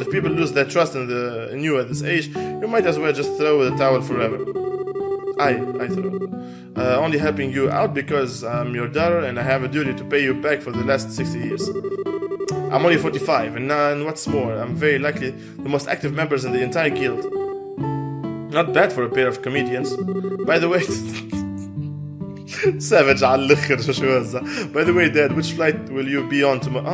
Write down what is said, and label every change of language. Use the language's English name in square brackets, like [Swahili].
[English] If people lose their trust in you at this age, you might as well just throw the towel forever. I throw. Only helping you out because I'm your daughter and I have a duty to pay you back for the last 60 years. I'm only 45, and what's more, I'm very likely the most active members in the entire guild. Not bad for a pair of comedians. By the way... [Arabic] Savage على الاخر شو شو هذا. [English] By the way, Dad, which flight will you be on tomorrow?